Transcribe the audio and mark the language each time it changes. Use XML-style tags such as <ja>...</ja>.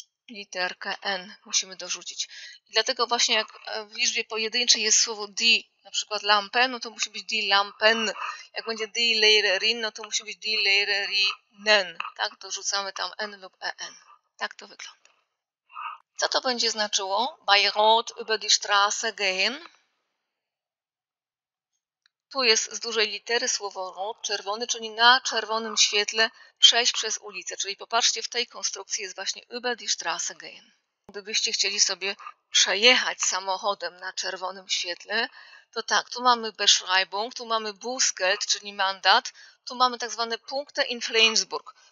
<pl>Literkę N musimy dorzucić. I dlatego właśnie jak w liczbie pojedynczej jest słowo die, na przykład lampę, no to musi być die Lampen. Jak będzie die Lehrerin, no to musi być die Lehrerinnen. Tak, dorzucamy tam N lub EN. Tak to wygląda. Co to będzie znaczyło?</pl> <de>Bei Rot über die Straße gehen.</de> <pl>Tu jest z dużej litery słowo rot, czerwony, czyli na czerwonym świetle przejść przez ulicę. Czyli popatrzcie, w tej konstrukcji jest właśnie</pl> <de>über die Straße gehen.</de> <pl>Gdybyście chcieli sobie przejechać samochodem na czerwonym świetle, to tak, tu mamy Beschreibung, tu mamy Bußgeld, czyli mandat, tu mamy tak zwane Punkte in Flensburg.</pl>